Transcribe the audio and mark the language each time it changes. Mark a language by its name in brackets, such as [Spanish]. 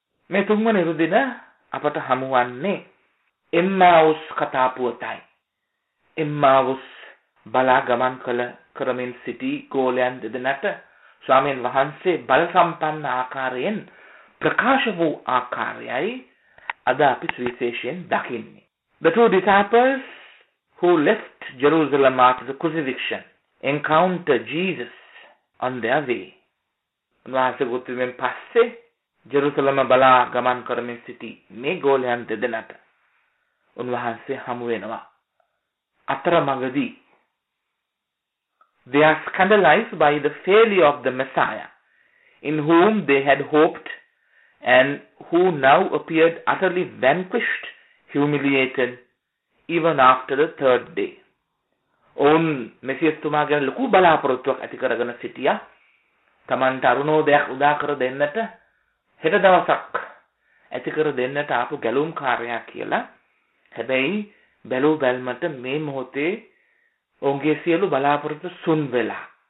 [Sinhala] මේ තුන්වන ඉරුදින අපට හමුවන්නේ එම්මාවුස් කතා පුවතයි. එම්මාවුස් බලා ගමන් කළ කරමින් සිටි ගෝලයන් දෙදෙනට ස්වාමීන් වහන්සේ බල සම්පන්න ආකාරයෙන් ප්‍රකාශ වූ ආකාරයයි අද අපි සුවිශේෂයෙන් දකින්නේ. [English] The two disciples who left Jerusalem after the crucifixion encounter Jesus on their way. [Sinhala] උන්වහන්සේ ගොතුමෙන් පස්සේ ජෙරුසලම බලා ගමන් කරමින් සිටි මේ ගෝලයන් දෙදෙනාට උන්වහන්සේ හමු වෙනවා. අතරමඟදී [English] they are scandalized by the failure of the Messiah in whom they had hoped and who now appeared utterly vanquished, humiliated, even after the third day. [Sinhala] ඔවුන් මෙසියස්තුමා ගැන ලොකු බලාපොරොත්තුවක් ඇති කරගෙන සිටියා. තමන් තරුණෝදයක් උදා කර දෙන්නට හෙට දවසක් ඇති කර දෙන්නට ආපු ගැලුම් කාරයා කියලා. හැබැයි බැලූ බැල්මට මේ මොහොතේ ඔවුන්ගේ සියලු බලාපොරොත්තු සුන් වෙලා.